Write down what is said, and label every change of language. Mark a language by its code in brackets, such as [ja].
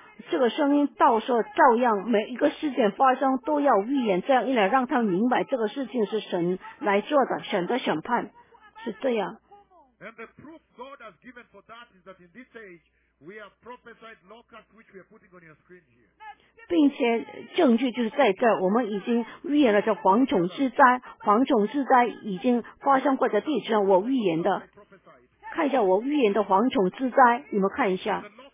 [zh] 这个声音到时候照样每一个事件发生都要预言，这样一来让他明白这个事情是神来做的，神的审判是这样。 [en] And the proof God has given for that is that in this age we have prophesied locusts which we are putting on your screen here. [zh] 并且证据就是在这，我们已经预言了这蝗虫之灾，蝗虫之灾已经发生过在地球上，我预言的，看一下我预言的蝗虫之灾，你们看一下。